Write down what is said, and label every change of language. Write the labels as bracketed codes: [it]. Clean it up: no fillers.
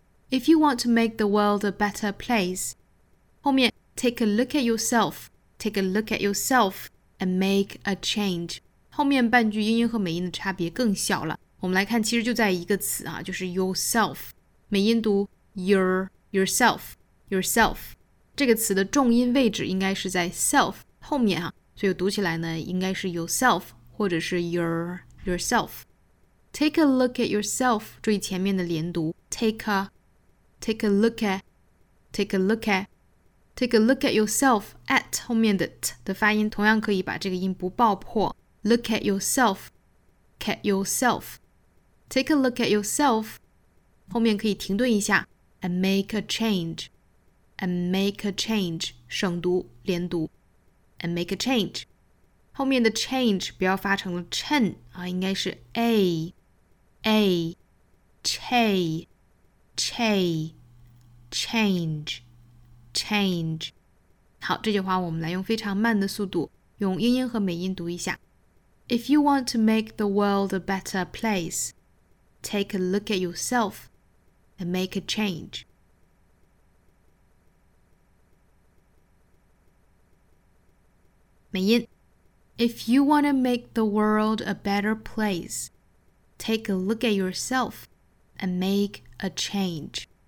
[en] If you want to make the world a better place, [zh] 后面 [en] take a look at yourself and make a change. [zh] 后面半句英音和美音的差别更小了。我们来看，其实就在一个词啊，就是 yourself. 美音读 yourself. 这个词的重音位置应该是在 self 后面啊。所以读起来呢，应该是 yourself 或者是 yourself. [en] Take a look at yourself. [zh] 注意前面的连读 [en] take a look at yourself. [zh] At 后面的 t 的发音同样可以把这个音不爆破。 [en] Look at yourself. Take a look at yourself. [zh] 后面可以停顿一下 [en] and make a change. [zh] 省读连读。 [en] And make a change. [zh] 后面的 change 不要发成了 chen 啊，应该是 change. 好，这句话我们来用非常慢的速度，用英音和美音读一下。 [en] If you want to make the world a better place, take a look at yourself and make a change. 美音 If you want to make the world a better place, take a look at yourself and make a change.